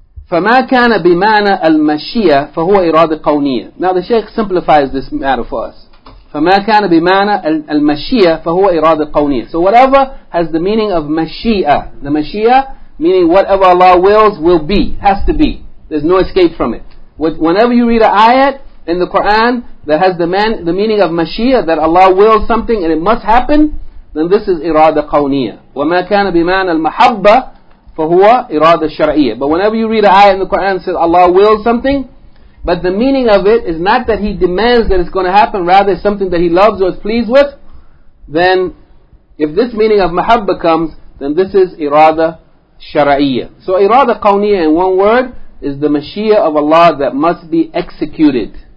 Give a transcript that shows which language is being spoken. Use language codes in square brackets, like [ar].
[ar] فَمَا كَانَ بِمَعْنَى الْمَشِيَةِ فَهُوَ irada qawniya. [en] Now the Shaykh simplifies this matter for us. [ar] فَمَا كَانَ بِمَعْنَى الْمَشِيَةِ فَهُوَ إِرَادَ الْقَوْنِيَةِ. [en] So whatever has the meaning of مَشِيَةَ. The مَشِيَةَ meaning whatever Allah wills will be, has to be. There's no escape from it. Whenever you read an ayat, in the Quran that has the meaning of Mashiach, that Allah wills something and it must happen, then this is irada qawniya. [ar] وَمَا كَانَ بِمَعْنَى الْمَحَبَّةِ فَهُوَ irada الشَّرْعِيَةِ. [en] But whenever you read an ayah in the Quran that says Allah wills something, but the meaning of it is not that He demands that it's going to happen, rather it's something that He loves or is pleased with, then if this meaning of mahabba comes, then this is irada shara'iyya. So irada qawniya, in one word, is the mashiyah of Allah that must be executed.